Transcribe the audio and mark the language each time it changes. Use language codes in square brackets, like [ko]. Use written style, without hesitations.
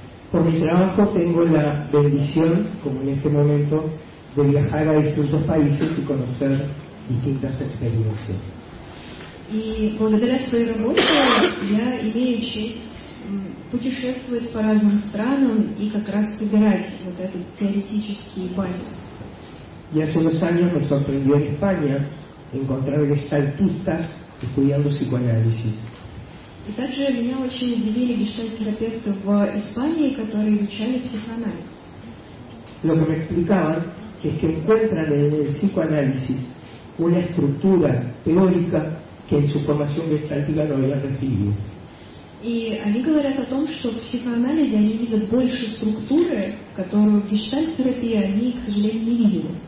[es] Por mi trabajo tengo la bendición, como en este momento, de viajar a distintos países y conocer distintas experiencias. [ru] Y благодаря своей работе я имею честь путешествовать по разным странам и как раз собирать вот этот теоретический базис. [es] Y hace unos años me sorprendió en España encontrar gestaltistas estudiando psicoanálisis. [ru] И также меня очень удивили гештальт-терапевты в Испании, которые изучали психоанализ. [es] Lo que me explicaban es que encuentran en el psicoanálisis una estructura teórica que en su formación gestáltica no había recibido. [ru] И они говорят о том, что в психоанализе они видят больше структуры, которую в гештальт-терапии они, к сожалению, не видели.